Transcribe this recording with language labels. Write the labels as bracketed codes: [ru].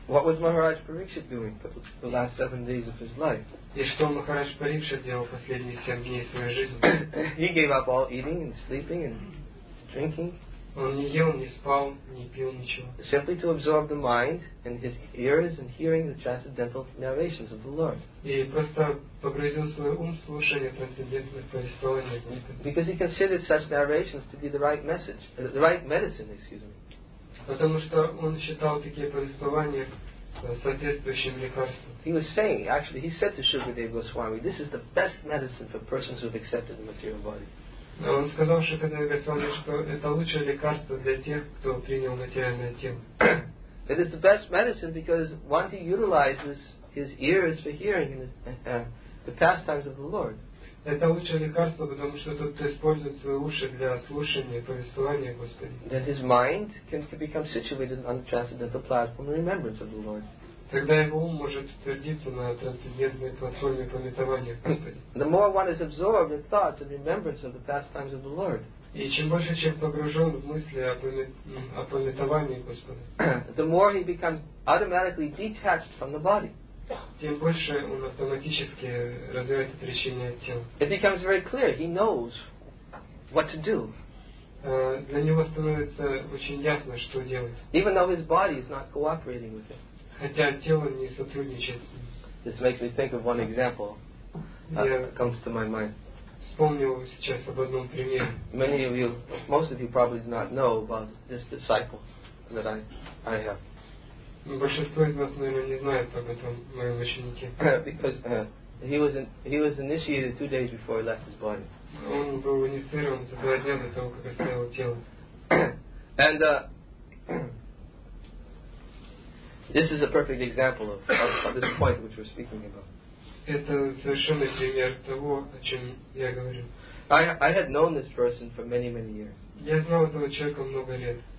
[en] What was Maharaj Pariksit doing for the last 7 days of his life? [ru] И что Махарадж Парикшит делал последние 7 дней своей жизни? [en] He gave up all eating and sleeping and drinking. [ru] Он не ел, не спал, не пил ничего. [en] Simply to absorb the mind and his ears and hearing the transcendental narrations of the Lord. [ru] И просто погрузил свой ум в слушание трансцендентных повествований. [en] Because he considered such narrations to be the right message, the right medicine, excuse me. [ru] Потому что он считал такие повествования соответствующим лекарством. [en] He was saying, actually, he said to Shukadeva Goswami, this is the best medicine for persons who have accepted the material body. [ru] Он сказал Шукадеве Госвами, что это лучшее лекарство для тех, кто принял материальное тело. [en] It is the best medicine because one who utilizes his ears for hearing the pastimes of the Lord. [ru] Это лучшее лекарство, потому что тот, кто использует свои уши для слушания и повествования Господи. [en] That his mind can become situated on the transcendental platform of remembrance of the Lord. [ru] Тогда его ум может утвердиться на трансцендентной платформе памятования Господи. [en] The more one is absorbed in thoughts and remembrance of the pastimes of the Lord. [ru] И чем больше человек погружен в мысли о памятовании Господи. [en] The more he becomes automatically detached from the body. [ru] Тем больше он автоматически развивает отречение от тела. [en] It becomes very clear. He knows what to do. [ru] Для него становится очень ясно, что делать. [en] Even though his body is not cooperating with him. [ru] Хотя тело не сотрудничает с ним. [en] This makes me think of one example that comes to my mind. [ru] Вспомнил сейчас об одном примере. [en] Many of you, most of you probably do not know about this disciple that I have. [ru] Большинство из вас, наверное, не знают об этом моем ученике. [en] Because he was initiated 2 days before he left his body. [ru] Он был инициирован за 2 дня до того, как оставил тело. [en] And this is a perfect example of this point which we're speaking about. [ru] Это совершенный пример того, о чем я говорю. [en] I had known this person for many, many years. [ru] Я знал этого человека много лет.